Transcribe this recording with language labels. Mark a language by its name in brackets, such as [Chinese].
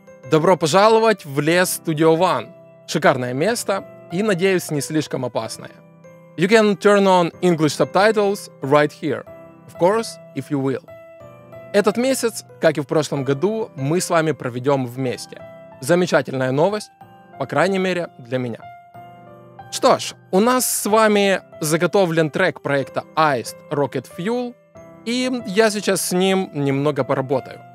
[Russian] Добро пожаловать в лес Studio One. Шикарное место и, надеюсь, не слишком опасное. [English] You can turn on English subtitles right here. Of course, if you will. [Russian] Этот месяц, как и в прошлом году, мы с вами проведем вместе. Замечательная новость, по крайней мере, для меня. Что ж, у нас с вами заготовлен трек проекта Iced Rocket Fuel, и я сейчас с ним немного поработаю.